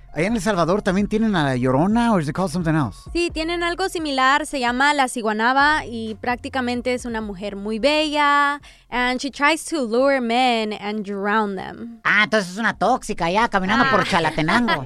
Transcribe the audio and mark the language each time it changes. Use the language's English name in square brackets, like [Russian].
[Spanish] ¿Ahí en El Salvador también tienen a la Llorona [English] or is it called something else? [Spanish] Sí, tienen algo similar. Se llama La Ciguanaba y prácticamente es una mujer muy bella. [English] And she tries to lure men and drown them. [Spanish] Ah, entonces es una tóxica ya caminando por Chalatenango.